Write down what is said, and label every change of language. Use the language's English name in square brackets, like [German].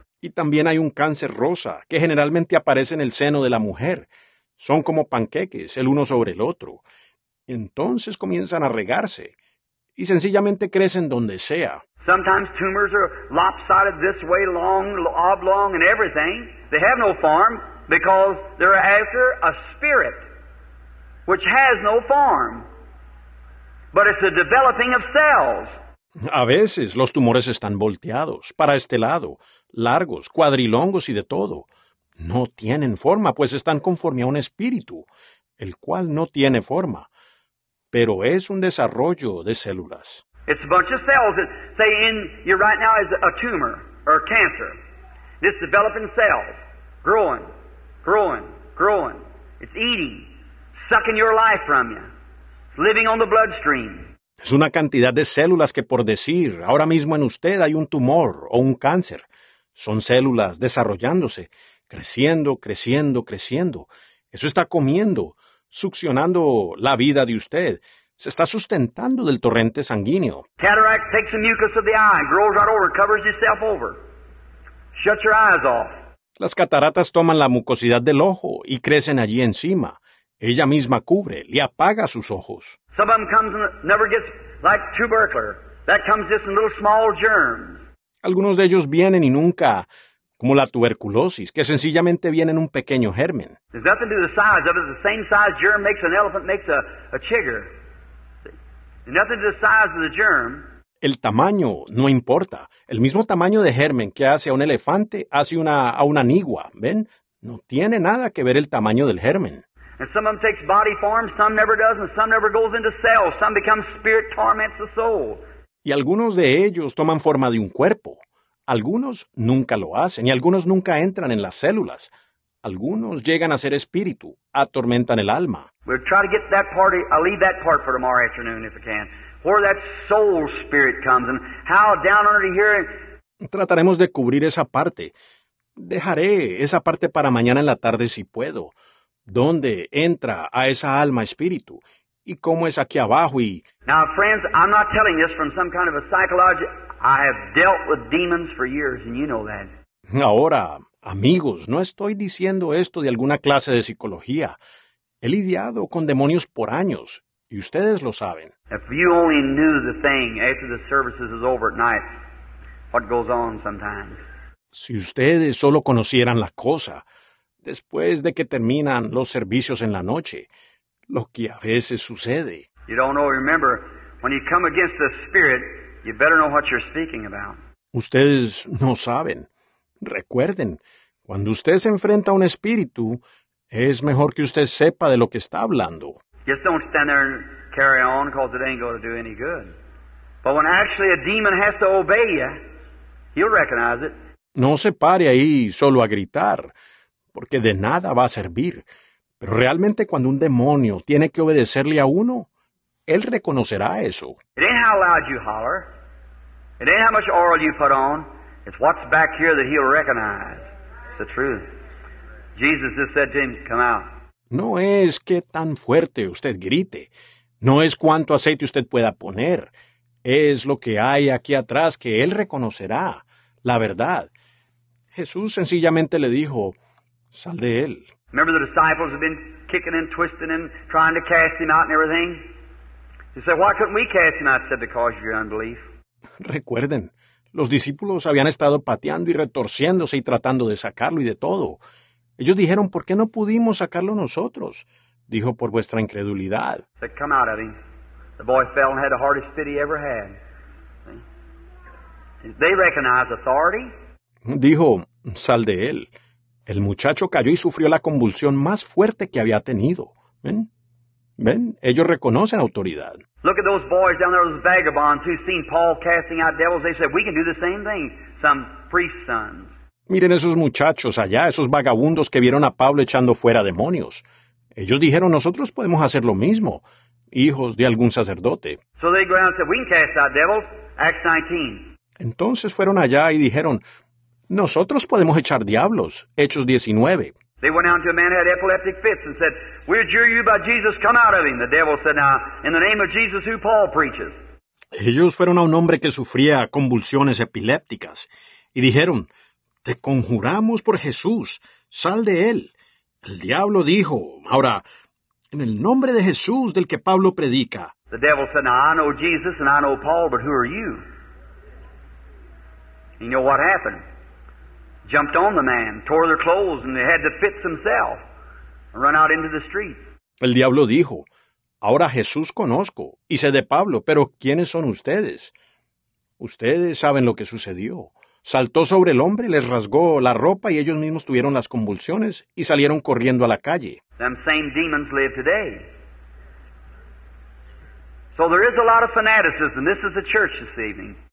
[Spanish] Y también hay un cáncer rosa, que generalmente aparece en el seno de la mujer. Son como panqueques, el uno sobre el otro. Entonces comienzan a regarse, y sencillamente crecen donde sea. [English] Sometimes tumors are lopsided this way, long, oblong, and everything. They have no form because they're after a spirit which has no form. But it's a developing of cells. [Spanish] A veces los tumores están volteados, para este lado, largos, cuadrilongos y de todo. No tienen forma, pues están conforme a un espíritu, el cual no tiene forma, pero es un desarrollo de células. [English] It's a bunch of cells that say in you right now is a tumor or a cancer. It's developing cells, growing, growing, growing. It's eating, sucking your life from you. It's living on the bloodstream. [Spanish] Es una cantidad de células que, por decir, ahora mismo en usted hay un tumor o un cáncer. Son células desarrollándose, creciendo, creciendo, creciendo. Eso está comiendo, succionando la vida de usted. Se está sustentando del torrente sanguíneo. [English] Cataract takes the mucus of the eye and grows right over, covers itself over. Shut your eyes off. [Spanish] Las cataratas toman la mucosidad del ojo y crecen allí encima. Ella misma cubre, le apaga sus ojos. [English] Some of them comes and never gets like tubercular. That comes just in little small germs. [Spanish] Algunos de ellos vienen y nunca, como la tuberculosis, que sencillamente viene en un pequeño germen. [English] There's nothing to the size of it. The same size germ makes an elephant, makes a chigger. Nothing to the size of the germ. [Spanish] El tamaño no importa. El mismo tamaño de germen que hace a un elefante hace a una nigua, ¿ven? No tiene nada que ver el tamaño del germen. [English] And some of them takes body form, some never does, and some never goes into cells. Some become spirit, torments the soul. [Spanish] Y algunos de ellos toman forma de un cuerpo. Algunos nunca lo hacen, y algunos nunca entran en las células. Algunos llegan a ser espíritu, atormentan el alma. [English] We'll try to get that part, I'll leave that part for tomorrow afternoon if I can. Where that soul spirit comes and how down under the hearing. [Spanish] Trataremos de cubrir esa parte. Dejaré esa parte para mañana en la tarde si puedo. ¿Dónde entra a esa alma espíritu? ¿Y cómo es aquí abajo? Y... [English] Now, friends, I'm not telling this from some kind of a psychology. I have dealt with demons for years, and you know that. [Spanish] Ahora, amigos, no estoy diciendo esto de alguna clase de psicología. He lidiado con demonios por años, y ustedes lo saben. [English] If you only knew the thing after the services is over at night, what goes on sometimes. [Spanish] Si ustedes solo conocieran la cosa... Después de que terminan los servicios en la noche, lo que a veces sucede. [English] You don't know, remember, when you come against the spirit, you better know what you're speaking about. [Spanish] Ustedes no saben. Recuerden, cuando usted se enfrenta a un espíritu, es mejor que usted sepa de lo que está hablando. [English] Just don't stand there and carry on, because it ain't going to do any good. But when actually a demon has to obey you, he'll recognize it. [Spanish] No se pare ahí solo a gritar. Porque de nada va a servir. Pero realmente cuando un demonio tiene que obedecerle a uno, él reconocerá eso. [English] It ain't how loud you holler. It ain't how much oil you put on. It's what's back here that he'll recognize. It's the truth. Jesus just said to him, come out. [Spanish] No es qué tan fuerte usted grite. No es cuánto aceite usted pueda poner. Es lo que hay aquí atrás que él reconocerá. La verdad. Jesús sencillamente le dijo... Sal de él. [English] Remember the disciples have been kicking and twisting and trying to cast him out and everything? He said, why couldn't we cast him out? He said, because of your unbelief. [Spanish] Recuerden, los discípulos habían estado pateando y retorciéndose y tratando de sacarlo y de todo. Ellos dijeron, ¿por qué no pudimos sacarlo nosotros? Dijo, por vuestra incredulidad. [English] He said, come out of him. The boy fell and had the hardest fit he ever had. They recognize authority. [Spanish] Dijo, sal de él. El muchacho cayó y sufrió la convulsión más fuerte que había tenido. ¿Ven? ¿Ven? Ellos reconocen autoridad. [English] Look at those boys down there, those vagabonds who've seen Paul casting out devils. They said, we can do the same thing, some priest's sons. [Spanish] Miren esos muchachos allá, esos vagabundos que vieron a Pablo echando fuera demonios. Ellos dijeron, nosotros podemos hacer lo mismo, hijos de algún sacerdote. [English] So they go out and said, we can cast out devils, Acts 19. [Spanish] Entonces fueron allá y dijeron, nosotros podemos echar diablos. Hechos 19. [English] They went out to a man who had epileptic fits and said, we adjure you by Jesus, come out of him. The devil said, now, in the name of Jesus, who Paul preaches. [Spanish] Ellos fueron a un hombre que sufría convulsiones epilépticas y dijeron, te conjuramos por Jesús, sal de él. El diablo dijo, ahora, en el nombre de Jesús del que Pablo predica. [English] The devil said, now, I know Jesus and I know Paul, but who are you? You know what happened? Jumped on the man, tore their clothes, and they had the fits themselves, and run out into the street. [Spanish] El diablo dijo, ahora Jesús conozco, y sé de Pablo, pero ¿quiénes son ustedes? Ustedes saben lo que sucedió. Saltó sobre el hombre, les rasgó la ropa, y ellos mismos tuvieron las convulsiones, y salieron corriendo a la calle. [English] Them same demons live today. So there is a lot of fanaticism. This is the church this evening.